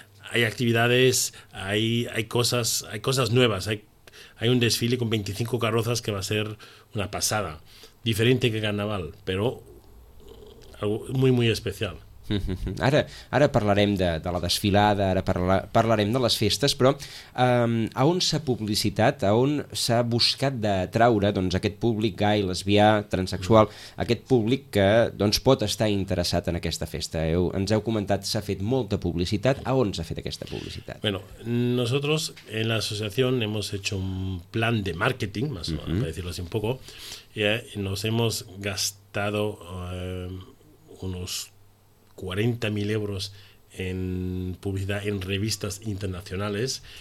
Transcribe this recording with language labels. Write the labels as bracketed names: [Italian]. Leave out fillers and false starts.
[Spanish] Hay actividades, hay cosas nuevas. Hay un desfile con 25 carrozas que va a ser una pasada. Diferente que carnaval, pero algo muy, muy especial. [Catalan] Ara parlarem de la desfilada, parlarem de les festes, però a on s'ha publicitat, a on s'ha buscat de traure doncs, aquest públic gai, lesbià, transexual, aquest públic que doncs, pot estar interessat en aquesta festa. Ens heu comentat, s'ha fet molta publicitat, a on s'ha fet aquesta publicitat? [Spanish] Bueno, nosotros en la asociación hemos hecho un plan de marketing, más o menos, para decirlo así un poco, y nos hemos gastado unos 40.000 euros en publicidad en revistas internacionales.